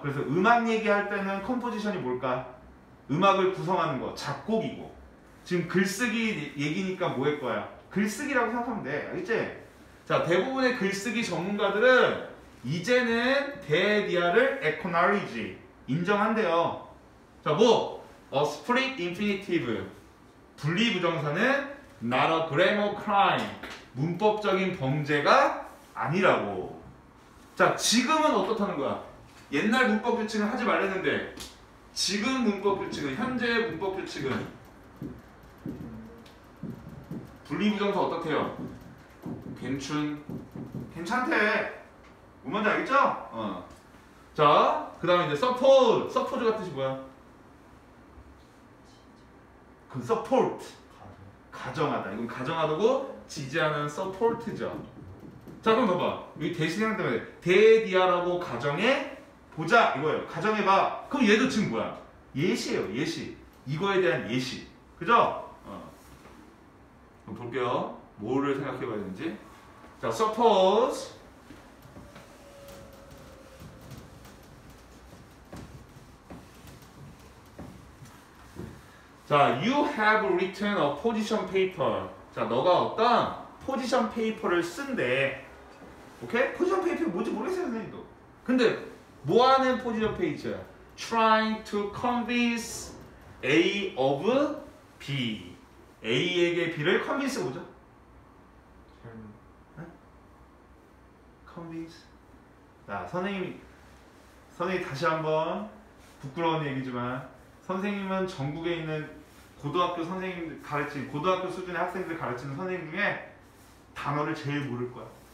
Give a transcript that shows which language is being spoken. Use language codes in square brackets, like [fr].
[ko] 그래서 음악 얘기할 때는 컴포지션이 뭘까? 음악을 구성하는 거, 작곡이고. 지금 글쓰기 얘기니까 뭐 할 거야? 글쓰기라고 생각하면 돼. 알겠지? 자, 대부분의 글쓰기 전문가들은 이제는 데디아를 acknowledge, 인정한대요. [en] 자, 뭐? A split infinitive. 분리부정사는 not a grammar crime. [ko] 문법적인 범죄가 아니라고. 자, 지금은 어떻다는 거야? 옛날 문법 규칙은 하지 말랬는데, 지금 문법 규칙은, 현재의 문법 규칙은 분리부정사 어떻대요? 괜찮대. 뭔 말인지 알겠죠? 자, 그 다음에 이제 서포즈 같은 뜻이 뭐야? 그 서포트. 가정하다. 이건 가정하다고 지지하는 서포트죠. 자 그럼 봐봐. 여기 대신하는 때문에 데디아라고 가정해 보자 이거예요. 가정해봐. 그럼 얘도 지금 뭐야? 예시예요. 예시. 이거에 대한 예시. 그죠? 그럼 볼게요. 뭐를 생각해봐야 되는지. [en] 자 서포즈 자, you have written a position paper. [ko] 자, 너가 어떤 position paper를 쓴대. 오케이? position paper 뭔지 모르겠어요, 선생님도. 근데 뭐 하는 position paper야? [en] trying to convince A of B. [ko] A에게 B를 convince 뭐죠? convince. 자, 선생님이 다시 한번 부끄러운 얘기지만 선생님은 전국에 있는 고등학교 선생님들 가르치는 고등학교 수준의 학생들 가르치는 선생님 중에 단어를 제일 모를 거야.